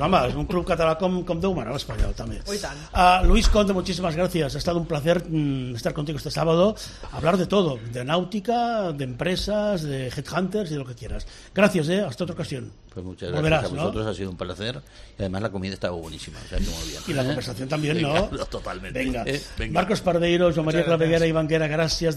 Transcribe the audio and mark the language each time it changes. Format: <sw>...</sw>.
<ca>Home, és un club català com deu manar l'Espanyol, també. Oi tant.</ca> <es>Luis Conde, muchísimas gracias. Ha estado un placer estar contigo este sábado. Hablar de todo, de náutica, de empresas, de headhunters y de lo que quieras. Gracias, hasta otra ocasión. Pues muchas gracias. Volverás, a vosotros, ¿no? Ha sido un placer. Y además la comida estaba buenísima. O sea, muy bien. Y la conversación también, ¿no? Venga, totalmente. Venga. Venga.</es> <ca>Marcos Pardeiro, Joan Maria Claveguera, Ivan Guerra, gràcies.</ca>